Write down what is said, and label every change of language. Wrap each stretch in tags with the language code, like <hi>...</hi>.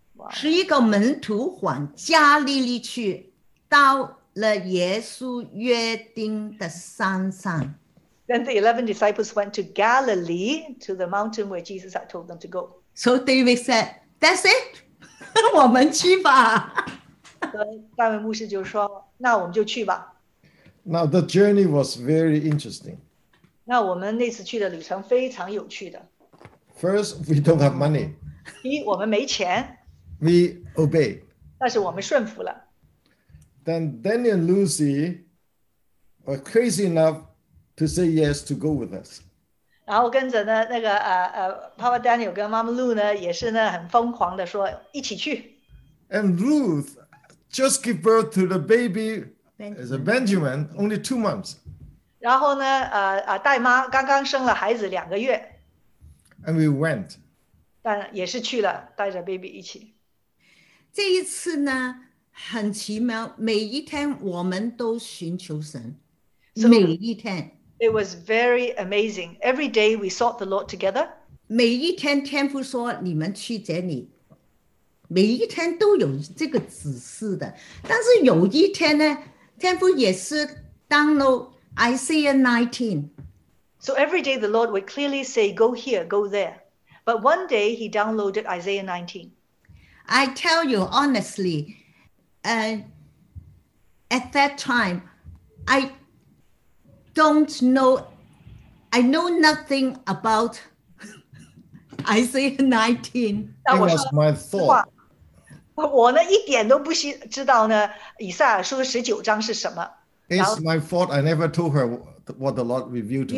<zh>11个门徒往加利利去，到了耶稣约定的山上。</zh> <en>Then the 11 disciples went to Galilee, to the mountain where Jesus had told them to go. So David said, That's it,</en> <zh>我们去吧。大卫牧师就说，那我们就去吧。</zh> <en>Now the journey was very interesting.</en> <zh>那我们那次去的旅程非常有趣的。</zh> <en>First, we don't have money.</en> <zh>第一，我们没钱。</zh> <en>We obey.</en> <zh>但是我们顺服了。</zh> <en>Then Danny and Lucy were crazy enough to say yes to go with us.</en> <zh>然后跟着呢，那个Papa Daniel 跟 Mama Lou 呢，也是呢很疯狂的说一起去。</zh> <en>And Ruth just gave birth to the baby as a Benjamin, only 2 months.</en> <zh>然后呢，黛妈刚刚生了孩子两个月。</zh> <en>And we went.</en> <zh>但也是去了，带着 baby 一起。这一次呢？很奇妙，每一天我们都寻求神，</zh> <en>so,</en> <zh>每一天。</zh> <en>It was very amazing. Every day we sought the Lord together.</en> <zh>每一天天父说你们去这里，每一天都有这个指示的。但是有一天呢，天父也是 download Isaiah 19。</zh> <en>So every day the Lord would clearly say, go here, go there. But one day he downloaded Isaiah 19. I tell you honestly, at that time, I don't know, I know nothing about Isaiah 19. That was my thought.</en> <zh>我呢一点都不知道呢，以赛亚书十九章是什么。</zh> <en>It's my fault. I never told her what the Lord revealed to me.</en>